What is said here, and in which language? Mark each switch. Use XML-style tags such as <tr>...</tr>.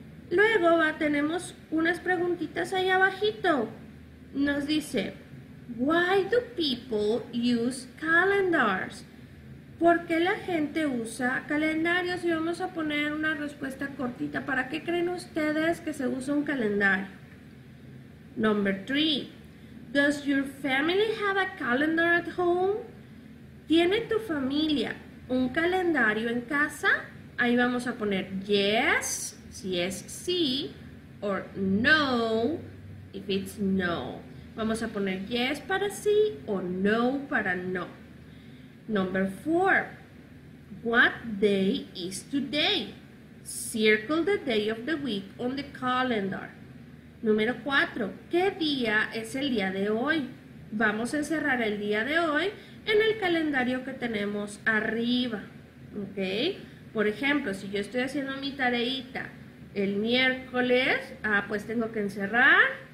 <es>Luego tenemos unas preguntitas ahí abajito. Nos dice,</es> <en>Why do people use calendars?</en> <es>¿Por qué la gente usa calendarios? Y vamos a poner una respuesta cortita. ¿Para qué creen ustedes que se usa un calendario?</es> <en>Number three. Does your family have a calendar at home?</en> <es>¿Tiene tu familia un calendario en casa? Ahí vamos a poner yes, si es sí,</es> <en>or no, if it's no.</en> <es>Vamos a poner yes para sí o no para no.</es> <en>Number four. What day is today? Circle the day of the week on the calendar.</en> <es>Número cuatro. ¿Qué día es el día de hoy? Vamos a encerrar el día de hoy en el calendario que tenemos arriba. ¿Ok? Por ejemplo, si yo estoy haciendo mi tareita el miércoles, pues tengo que encerrar.</es>